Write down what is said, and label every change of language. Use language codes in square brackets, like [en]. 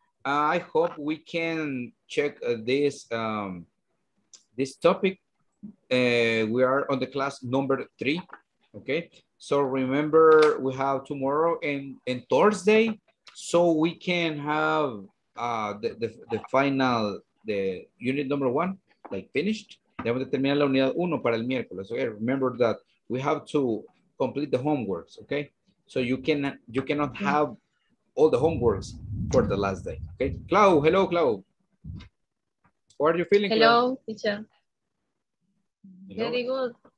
[en] I hope we can check this topic. We are on the class number 3, okay? So remember, we have tomorrow and Thursday, so we can have the final, the unit number 1, like finished. [es] Debemos de terminar la unidad 1 para el miércoles. [en] Okay, remember that we have to complete the homeworks, okay? So you cannot have all the homeworks for the last day, okay? Clau, hello, Clau. How are you feeling, Clau? Hello, teacher. Very good.